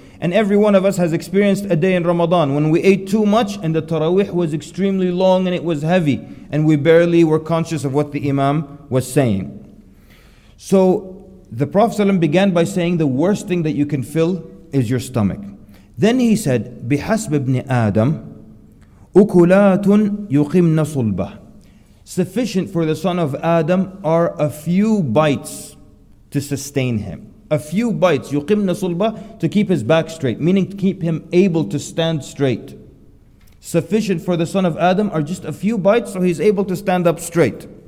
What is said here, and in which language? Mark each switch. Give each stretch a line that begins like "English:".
English: And every one of us has experienced a day in Ramadan when we ate too much and the taraweeh was extremely long and it was heavy and we barely were conscious of what the imam was saying. So the Prophet ﷺ began by saying the worst thing that you can fill is your stomach. Then he said,
Arabic: بحسب ابن آدم أكلات يقمن صلبة.
English: Sufficient for the son of Adam are a few bites to sustain him. A few bites,
Arabic: يُقِمْنَ صُلْبَةً,
English: to keep his back straight, meaning to keep him able to stand straight. Sufficient for the son of Adam are just a few bites so he's able to stand up straight.